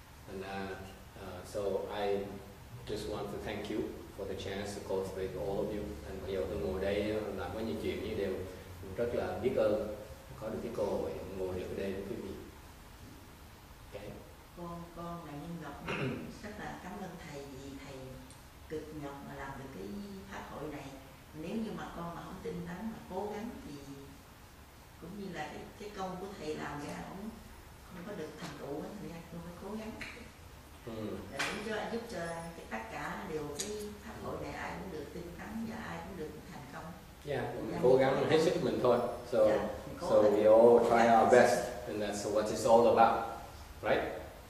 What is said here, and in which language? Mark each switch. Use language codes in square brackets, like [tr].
[en] And so I just want to thank you for the chance to cultivate all of you. [vi] And bây giờ tôi ngồi đây làm có nhiều chuyện như đều rất là biết ơn có được cái cơ hội ngồi được ở đây với quý vị. Okay. Con là Nhân Ngọc rất là cảm ơn thầy vì thầy cực nhọc mà làm được cái pháp hội này. Nếu như mà con mà không tinh tấn mà cố gắng thì cũng như là cái công của thầy làm ra cũng không có được thành tựu hết, thì con phải cố gắng. Để giúp cho tất cả đều cái pháp hội này ai cũng được tinh tấn và ai cũng được thành công. Yeah, cố gắng hết sức mình thôi. [en] So we all try our best, and that's what it's all about, right?